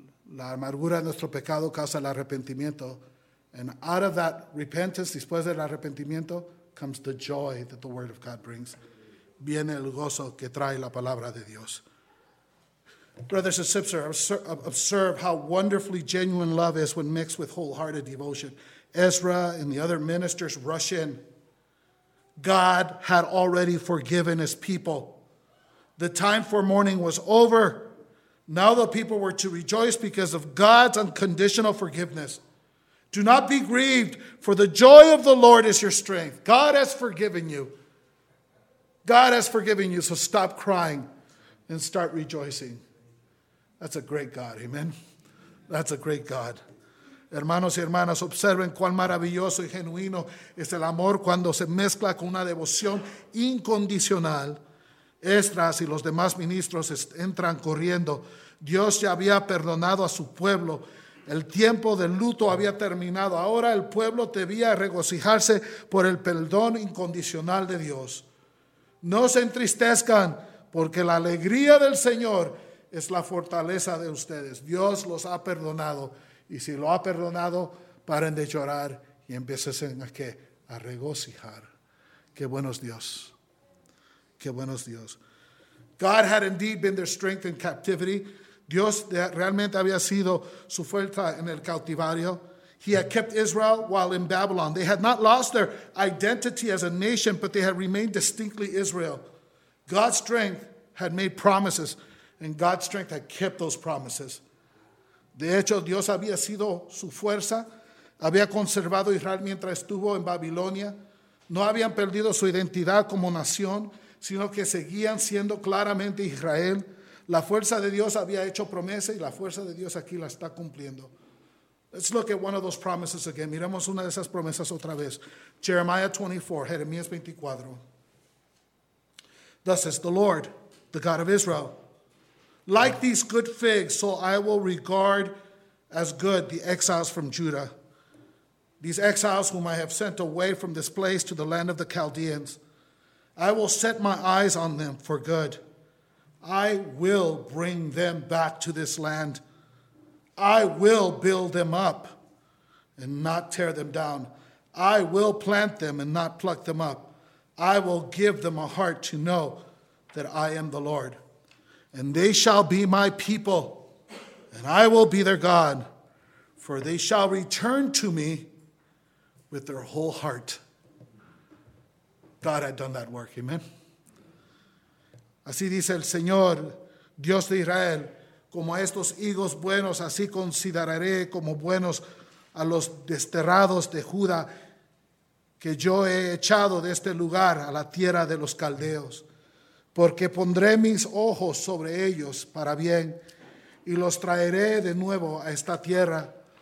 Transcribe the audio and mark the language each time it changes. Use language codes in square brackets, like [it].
[es] La amargura de nuestro pecado causa el arrepentimiento. [en] And out of that repentance, [es] después del arrepentimiento, [en] comes the joy that the word of God brings. [es] Viene el gozo que trae la palabra de Dios. [en] Brothers and sisters, observe how wonderfully genuine love is when mixed with wholehearted devotion. Ezra and the other ministers rush in. God had already forgiven his people. The time for mourning was over. Now the people were to rejoice because of God's unconditional forgiveness. Do not be grieved, for the joy of the Lord is your strength. God has forgiven you. God has forgiven you, so stop crying and start rejoicing. That's a great God, amen? That's a great God. [es] Hermanos y hermanas, observen cuán maravilloso y genuino es el amor cuando se mezcla con una devoción incondicional. Esdras y los demás ministros entran corriendo. Dios ya había perdonado a su pueblo. El tiempo del luto había terminado. Ahora el pueblo debía regocijarse por el perdón incondicional de Dios. No se entristezcan, porque la alegría del Señor es la fortaleza de ustedes. Dios los ha perdonado. Y si lo ha perdonado, paren de llorar y empiecen a regocijar. Qué bueno es Dios. Qué bueno es Dios. [en] God had indeed been their strength in captivity. [es] Dios realmente había sido su fuerza en el cautivario. [en] He had kept Israel while in Babylon. They had not lost their identity as a nation, but they had remained distinctly Israel. God's strength had made promises, and God's strength had kept those promises. [es] De hecho, Dios había sido su fuerza. Había conservado Israel mientras estuvo en Babilonia. No habían perdido su identidad como nación, sino que seguían siendo claramente Israel. La fuerza de Dios había hecho promesa y la fuerza de Dios aquí la está cumpliendo. [en] Let's look at one of those promises again. [es] Miremos una de esas promesas otra vez. [en] Jeremiah 24, Jeremías 24. Thus says the Lord, the God of Israel, like these good figs, so I will regard as good the exiles from Judah. these exiles whom I have sent away from this place to the land of the Chaldeans. I will set my eyes on them for good. I will bring them back to this land. I will build them up and not tear them down. I will plant them and not pluck them up. I will give them a heart to know that I am the Lord. And they shall be my people, and I will be their God, for they shall return to me with their whole heart. God had done that work. Amen. [es] Así dice el Señor, Dios de Israel, como a estos hijos buenos, así consideraré como buenos a los desterrados de Judá que yo he echado de este lugar a la tierra de los caldeos, porque pondré mis ojos sobre ellos para bien y los traeré de nuevo a esta tierra.